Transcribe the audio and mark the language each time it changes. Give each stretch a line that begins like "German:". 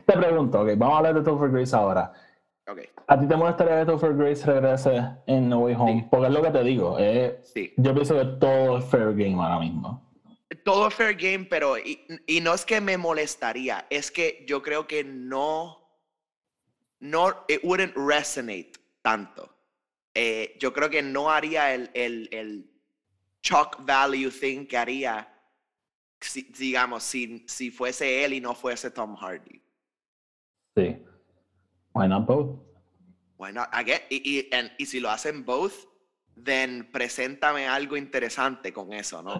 Spanish: Te pregunto, okay, vamos a hablar de Topher Grace ahora. Okay. ¿A ti te molestaría que Topher Grace regrese en No Way Home? Sí. Porque es lo que te digo. Sí. Yo pienso que todo es
English: fair game
Spanish: ahora mismo. Todo es
English: fair game,
Spanish: pero... Y no es que me molestaría, es que yo creo que no...
English: No, it wouldn't resonate tanto.
Spanish: Yo creo que no haría el
English: shock value thing
Spanish: que haría, si, digamos, si fuese él y no fuese Tom Hardy.
English: Sí. Why not both? Why not?
Spanish: Y si lo hacen both, then preséntame algo interesante con eso, ¿no?